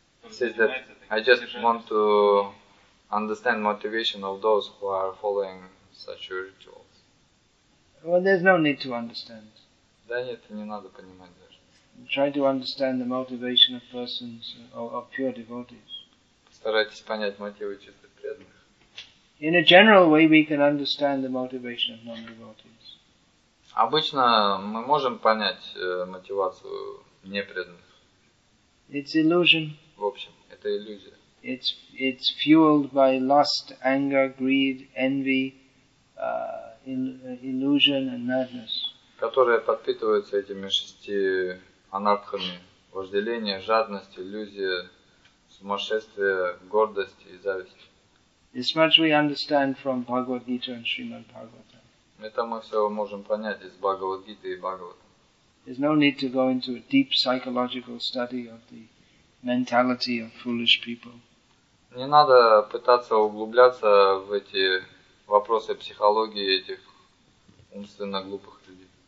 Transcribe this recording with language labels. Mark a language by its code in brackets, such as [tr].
[en] Says that I just want to understand motivation of those who are following such rituals. Well, there's no need to understand. [ru] Да нет, не надо понимать даже. [en] Try to understand the motivation of persons of pure devotees. [ru] Постарайтесь понять мотивы чистых преданных. [en] In a general way, we can understand the motivation of non-devotees. [ru] Обычно мы можем понять мотивацию непреданных. [en] It's illusion. [ru] В общем, это иллюзия. [en] It's fueled by lust, anger, greed, envy, illusion and madness. [ru] Которая подпитывается этими шести анатхами: вожделение, жадность, иллюзия, сумасшествие, гордость и зависть. [en] This much we understand from Bhagavad Gita and Srimad Bhagavatam. [ru] Это мы все можем понять из Бхагавад Гиты и Бхагаватам. [en] There's no need to go into a deep psychological study of the mentality of foolish people. [ru] Не надо пытаться углубляться в эти вопросы психологии этих умственно глупых людей.